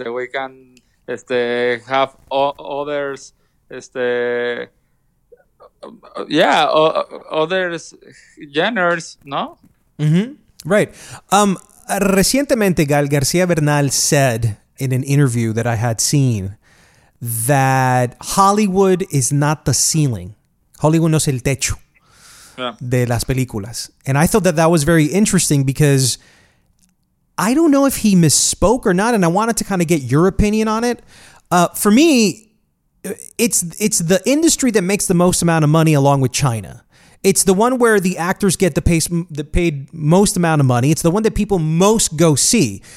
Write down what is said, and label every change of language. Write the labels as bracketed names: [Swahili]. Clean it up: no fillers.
[English] We can have others, others genres, no? Mm-hmm. Right. Recientemente, Gael García Bernal said in an interview that I had seen that Hollywood is not the ceiling. [Spanish] Hollywood no es el techo de las películas. [English] And I thought that was very interesting because I don't know if he misspoke or not, and I wanted to kind of get your opinion on it. For me, it's the industry that makes the most amount of money along with China. It's the one where the actors get the paid most amount of money. It's the one that people most go see.